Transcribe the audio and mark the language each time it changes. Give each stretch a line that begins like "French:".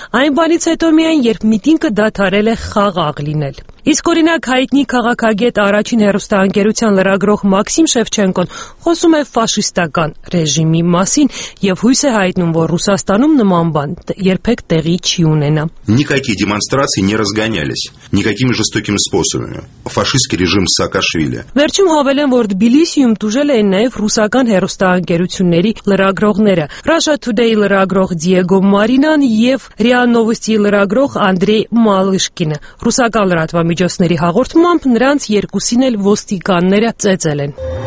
Armenian: այն բանից հետո, միայն երբ միտինգը դադարել է խաղաղ լինել։ Իսկ օրինակ հայտնի քաղաքագետ առաջին հեռուստաընկերության լրագրող Մաքսիմ Շևչենկոն խոսում է ֆաշիստական ռեժիմի մասին եւ հույս է հայտնում, որ Ռուսաստանում նման բան երբեք տեղի չի ունենա։
Russian: Никакие демонстрации не разгонялись никакими жестокими способами. Фашистский режим Саакашвили.
Armenian: Վերջում հավել են, որ Թբիլիսիում դուժել են նաեւ ռուսական հեռուստաընկերությունների լրագրողները՝ Russia Today-ի լրագրող Դիեգո Մարինան եւ Ռիա Նովոստի լրագրող Անդրեյ Մալիշկինը։ Ռուսական միջոցների հաղորդումամբ նրանց երկուսին էլ ոստիկանները ծեծել են։